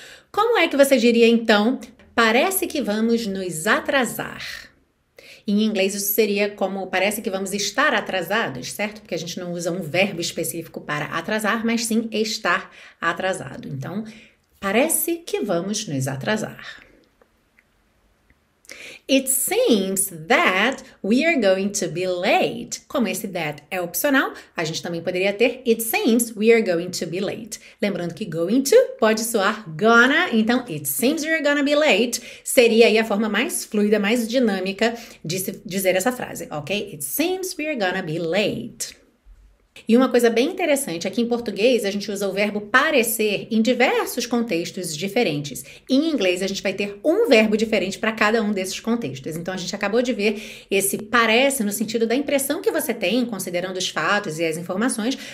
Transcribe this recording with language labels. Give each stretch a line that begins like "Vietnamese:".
Portuguese: Como é que você diria então? Parece que vamos nos atrasar. Em inglês, isso seria como parece que vamos estar atrasados, certo? Porque a gente não usa um verbo específico para atrasar, mas sim estar atrasado. Então, parece que vamos nos atrasar.
English: It seems that we are going to be late.
Portuguese: Como esse that é opcional, a gente também poderia ter
English: it seems we are going to be late.
Portuguese: Lembrando que going to pode soar gonna, então
English: it seems we are gonna be late
Portuguese: seria aí a forma mais fluida, mais dinâmica de dizer essa frase, ok?
English: It seems we are gonna be late.
Portuguese: E uma coisa bem interessante é que em português a gente usa o verbo parecer em diversos contextos diferentes. Em inglês a gente vai ter um verbo diferente para cada um desses contextos. Então a gente acabou de ver esse parece no sentido da impressão que você tem, considerando os fatos e as informações.